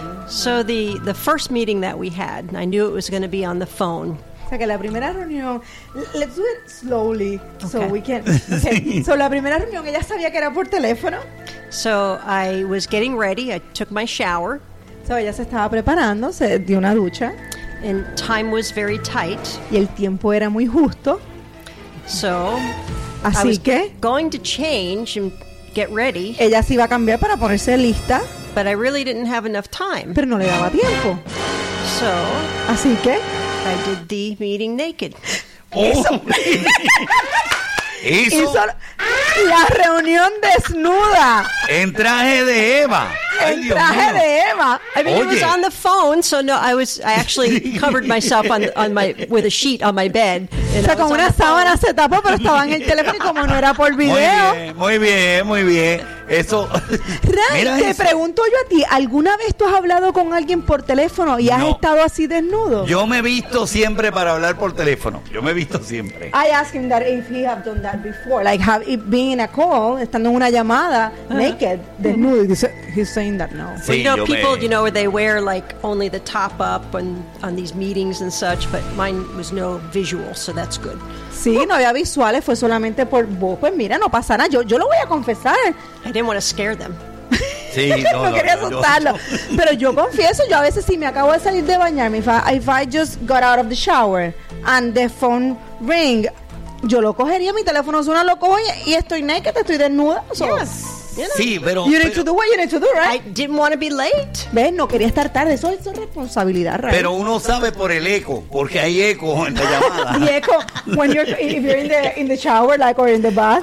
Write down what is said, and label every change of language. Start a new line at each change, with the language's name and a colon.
English: So the first meeting that we had, I knew it was going to be on the phone.
Spanish: O sea que la primera reunión,
English: let's do it slowly, okay. So we can. Okay.
Spanish: So la primera reunión, ella sabía que era por teléfono.
English: So I was getting ready. I took my shower.
Spanish: So ella se estaba preparando, se dio una ducha.
English: And time was very tight.
Spanish: Y el tiempo era muy justo.
English: So.
Spanish: Así que
English: going to change and get ready.
Spanish: Ella se iba a cambiar para ponerse lista,
English: but I really didn't have enough time.
Spanish: Pero no le daba tiempo.
English: So,
Spanish: así que
English: I did the meeting naked.
Spanish: Hizo la reunión desnuda. En traje de Eva.
English: I mean,
Spanish: oye.
English: It was on the phone, so no, I actually covered myself with a sheet on my bed.
Spanish: O sea, con una sábana se tapó, pero estaba en el teléfono y como no era por video. Muy bien. Eso. Ray, mira, te pregunto yo a ti, ¿alguna vez tú has hablado con alguien por teléfono y has estado así desnudo? Yo me he visto siempre para hablar por teléfono.
English: I asked him that if he have done that before, like have it been in a call,
Spanish: estando en una llamada,
English: naked, desnudo. He's saying that no. Sí, well, you know, people, you know, where they wear like only the top up on these meetings and such, but mine was no visual, so that's good.
Spanish: Sí, no había visuales, fue solamente por voz. Pues mira, no pasa nada. Yo lo voy a confesar.
English: I didn't want to scare them.
Spanish: Sí, no quería asustarlo. Pero yo confieso, yo a veces sí me acabo de salir de bañarme.
English: If I just got out of the shower and the phone ring,
Spanish: yo lo cogería, mi teléfono suena, lo cojo y estoy
English: naked,
Spanish: estoy desnuda.
English: So, yes. You know,
Spanish: sí, pero...
English: You need to do what you need to do, right? I didn't want to be late.
Spanish: ¿Ves? No quería estar tarde. Eso es su responsabilidad,
English: right?
Spanish: Pero uno sabe por el eco, porque hay eco en la llamada. Y eco,
English: when you're, if you're in the shower, like, or in the bath.